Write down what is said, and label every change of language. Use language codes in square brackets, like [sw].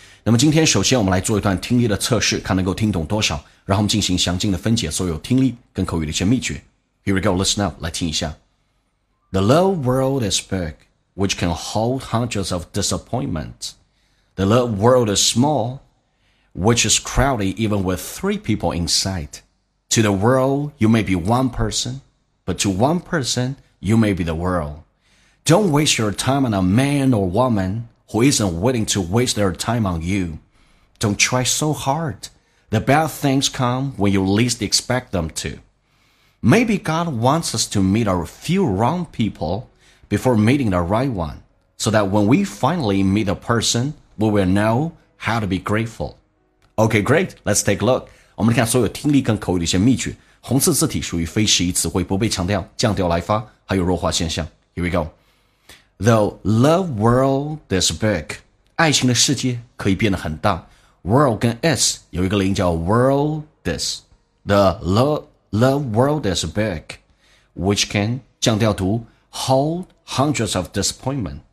[zh] 那么今天首先我们来做一段听力的测试，看能够听懂多少，然后我们进行详尽的分解所有听力跟口语的一些秘诀。 [en] Here we go, listen up, [zh] 来听一下。 [en] The love world is big, which can hold hundreds of disappointments. The love world is small, which is crowded even with three people in sight. To the world, you may be one person, but to one personYou may be the world. Don't waste your time on a man or woman who isn't willing to waste their time on you. Don't try so hard. The bad things come when you least expect them to. Maybe God wants us to meet a few wrong people before meeting the right one, so that when we finally meet a person, we will know how to be grateful. Okay, great. Let's take a look. [zh] 我们看所有听力跟口语的一些秘诀。红色字体属于非时宜词汇，不被强调，降调来发，还有弱化现象。 [en] Here we go. The love world is big. [zh] 爱情的世界可以变得很大。 World 跟 is 有一个零叫 world is. [en] The love world is big, which can [zh] 降调读 [en] hold hundreds of disappointment.